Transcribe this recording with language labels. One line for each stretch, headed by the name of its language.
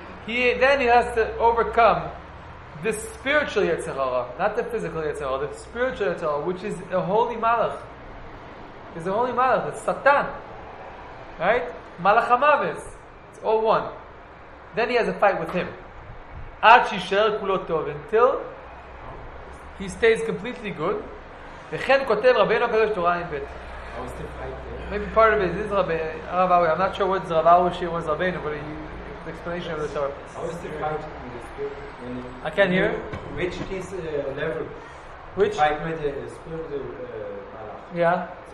English: Then he has to overcome the spiritual יצר הרע, not the physical יצר הרע, the spiritual יצר הרע, which is a holy מלאך. It's a holy מלאך, it's Satan. Right? מלאך המוות. It's all one. Then he has a fight with him.
Hebrew: עד שישאר כולו טוב,
English: until he stays completely good.
Hebrew: וכן כותב רבינו הקדוש תורה עם בית.
English: Maybe part of it is Rabbi. I'm not sure what Rabbi was saying was Rabbeinu, but the explanation of the Torah. How is the fight in the spirit? I can't hear. Which is level? Which? Fight with the spirit. Yeah.